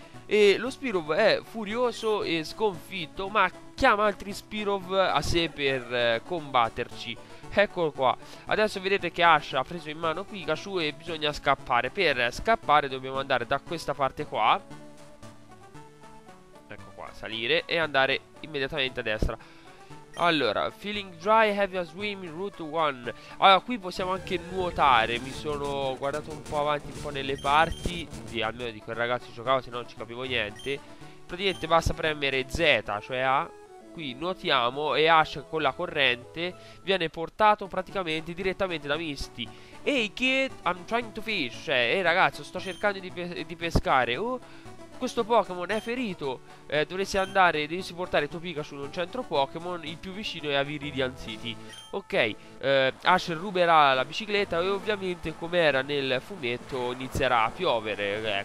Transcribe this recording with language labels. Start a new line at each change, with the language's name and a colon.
Italian: E lo Spearow è furioso e sconfitto, ma chiama altri Spearow a sé per combatterci. Eccolo qua. Adesso vedete che Ash ha preso in mano Pikachu e bisogna scappare. Per scappare dobbiamo andare da questa parte qua. Ecco qua, salire e andare immediatamente a destra.
English: Allora, feeling dry, have a swim, route 1.
Italian: Allora, qui possiamo anche nuotare. Mi sono guardato un po' avanti, un po' nelle parti. Sì, almeno di quel ragazzo giocavo, se no non ci capivo niente. Praticamente basta premere Z, cioè A. Qui nuotiamo e Ash con la corrente viene portato praticamente direttamente da Misty.
English: Hey kid, I'm trying to fish.
Italian: Cioè, ehi ragazzo, sto cercando di pescare. Questo Pokémon è ferito, dovresti andare, dovresti portare tuo Pikachu in un centro Pokémon, il più vicino è a Viridian City. Ok, Ash ruberà la bicicletta e ovviamente, come era nel fumetto, inizierà a piovere.